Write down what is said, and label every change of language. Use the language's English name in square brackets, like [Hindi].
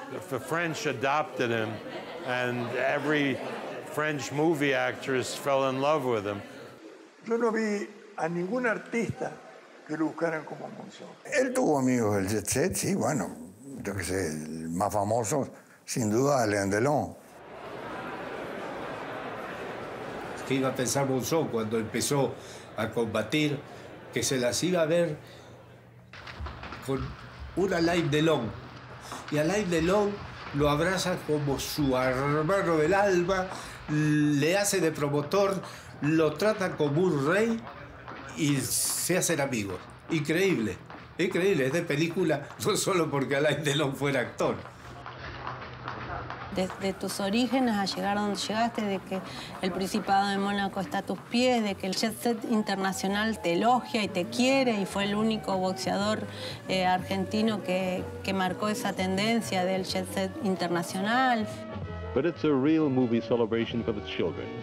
[English] The French adopted him, and every French movie actress fell in love with him. [Spanish] Yo no vi a ningún artista que lo buscaran como Monzón. Él tuvo amigos del jet set, sí, bueno. Yo qué sé, el más famoso. Sin duda, Alain Delon. ¿Qué iba a pensar Monzón cuando empezó a combatir? Que se las iba a ver con un Alain Delon. Y Alain Delon lo abraza como su hermano del alma, le hace de promotor, lo trata como un rey y se hacen amigos. Increíble, increíble. Es de película, no solo porque Alain Delon fuera actor. De tus orígenes a llegar a donde llegaste, de que el Principado de Mónaco está a tus pies, de que el Jet Set Internacional te elogia y te quiere y fue el único boxeador argentino que marcó esa tendencia del Jet Set Internacional. [English] But it's a real movie celebration for the children.